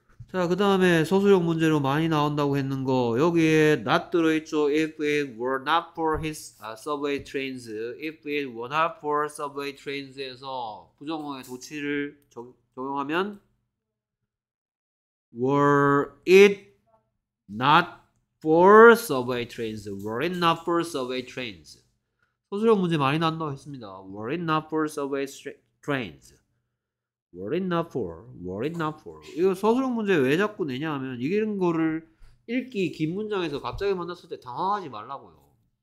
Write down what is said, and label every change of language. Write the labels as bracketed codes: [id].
[ko] 자, 그 다음에 서술형 문제로 많이 나온다고 했는 거, 여기에 not 들어있죠. [en] If it were not for his subway trains, if it were not for subway trains [ko] 에서 부정어의 도치를 적용하면 [en] were it not for subway trains, were it not for subway trains. [ko] 서술형 문제 많이 나온다고 했습니다. [en] were it not for subway trains. Were it not for, were it not for. [ko] 이거 서술형 문제 왜 자꾸 내냐 하면, 이런 거를 읽기 긴 문장에서 갑자기 만났을 때 당황하지 말라고요.